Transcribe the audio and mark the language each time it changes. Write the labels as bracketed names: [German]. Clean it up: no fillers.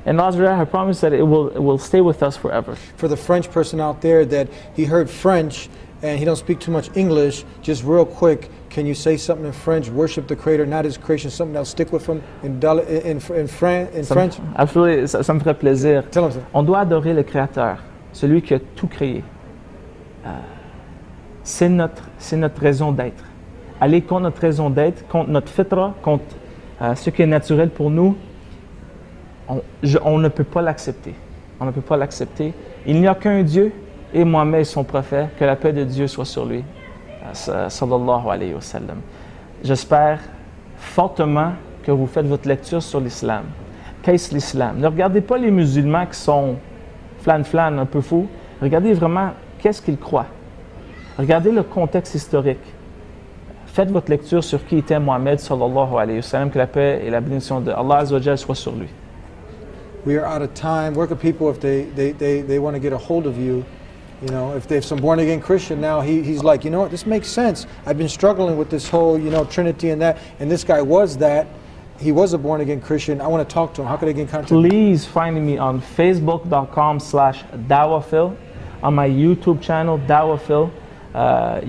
[English] And Allah [Arabic] Azza wa Jalla [English] promised that it will stay with us forever. For the French person out there that he heard French and he don't speak too much English, just real quick, can you say something in French, worship the Creator, not his creation, something that'll stick with him in French? Absolutely, [French] ça me ferait plaisir. [English] Tell him something. [French] On doit adorer le Créateur, celui qui a tout créé. C'est notre raison d'être. Aller contre notre raison d'être, contre notre fitra, contre ce qui est naturel pour nous, on ne peut pas l'accepter. On ne peut pas l'accepter. Il n'y a qu'un Dieu, et Mohammed son prophète, que la paix de Dieu soit sur lui. [Arabic] Sallallahu alayhi wa sallam. [French] J'espère fortement que vous faites votre lecture sur l'islam. Qu'est-ce l'islam? Ne regardez pas les musulmans qui sont flan-flan, un peu fous. Regardez vraiment qu'est-ce qu'ils croient. Regardez le contexte historique. Faites votre lecture sur qui était Mohammed [Arabic] sallallahu alayhi wa sallam, [French] que la paix et la bénédiction de Allah [Arabic] azza wa jalla [French] soient sur lui. [English] We are out of time. Where can people, if they want to get a hold of you, you know, if they have some born again Christian now, he's like, you know what, this makes sense. I've been struggling with this whole, you know, Trinity and that, and this guy was that. He was a born again Christian. I want to talk to him. How can I get in contact? Please find me on facebook.com/dawahphil, on my YouTube channel, dawahphil.